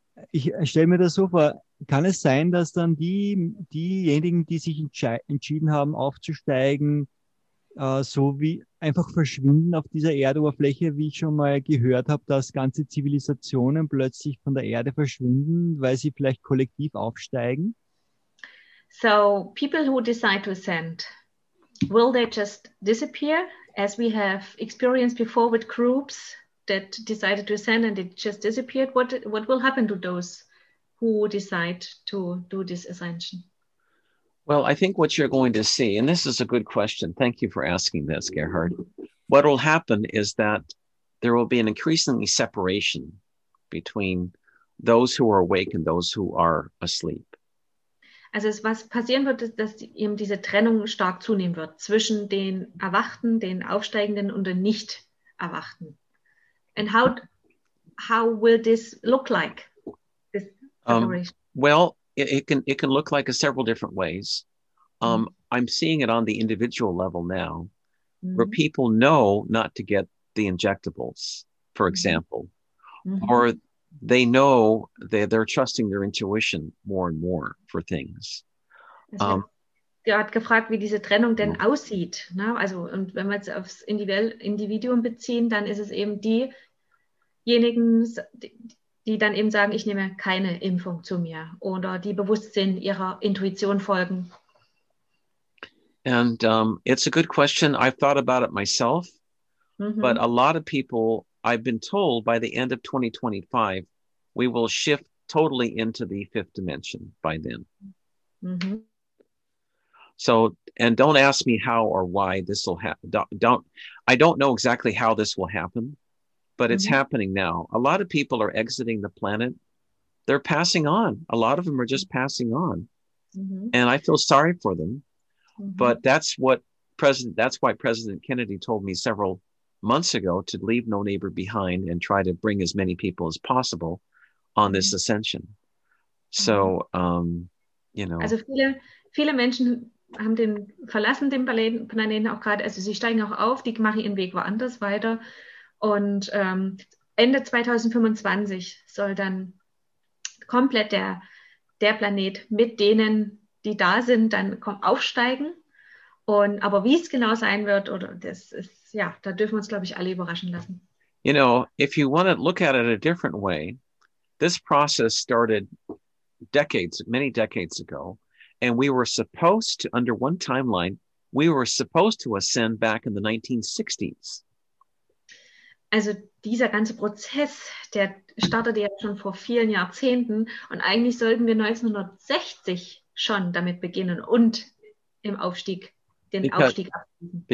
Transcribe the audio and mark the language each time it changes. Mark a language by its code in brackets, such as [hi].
[de] Ich stelle mir das so vor, kann es sein, dass dann diejenigen, die sich entschieden haben, aufzusteigen, so wie einfach verschwinden auf dieser Erdoberfläche, wie ich schon mal gehört habe, dass ganze Zivilisationen plötzlich von der Erde verschwinden, weil sie vielleicht kollektiv aufsteigen? [en] So, people who decide to ascend, will they just disappear, as we have experienced before with groups that decided to ascend and it just disappeared? What will happen to those who decide to do this ascension? Well, I think what you're going to see, and this is a good question. Thank you for asking this, Gerhard. What will happen is that there will be an increasingly separation between those who are awake and those who are asleep. [de] Also was passieren wird, ist, dass eben diese Trennung stark zunehmen wird zwischen den Erwachten, den Aufsteigenden und den Nicht-Erwachten. [en] And how will this look like, this separation? It can look like a several different ways. I'm seeing it on the individual level now, mm-hmm. where people know not to get the injectables, for example, mm-hmm. or they know that they're trusting their intuition more and more for things. [de] hat gefragt, wie diese Trennung denn aussieht. Ne? Also, und wenn wir jetzt aufs Individuum beziehen, dann ist es eben diejenigen, die dann eben sagen, ich nehme keine Impfung zu mir oder die bewusst sind, ihrer Intuition folgen. [en] And it's a good question. I've thought about it myself, but a lot of people, I've been told by the end of 2025, we will shift totally into the fifth dimension by then. So, and don't ask me how or why this will happen. I don't know exactly how this will happen, but it's happening now. A lot of people are exiting the planet. They're passing on. A lot of them are just passing on. And I feel sorry for them. But that's why President Kennedy told me several months ago to leave no neighbor behind and try to bring as many people as possible on this ascension. So, you know. [de] Also viele Menschen haben verlassen den Planeten auch gerade. Also sie steigen auch auf, die machen ihren Weg woanders weiter. Und Ende 2025 soll dann komplett der Planet mit denen, die da sind, dann aufsteigen. Und aber wie es genau sein wird, oder das ist, ja, da dürfen wir uns, glaube ich, alle überraschen lassen. [en] You know, if you want to look at it a different way, this process started many decades ago, and we were supposed to, under one timeline, we were supposed to ascend back in the 1960s. [de] Also dieser ganze Prozess, der startete ja schon vor vielen Jahrzehnten, und eigentlich sollten wir 1960 schon damit beginnen und im Aufstieg, den Aufstieg abschließen.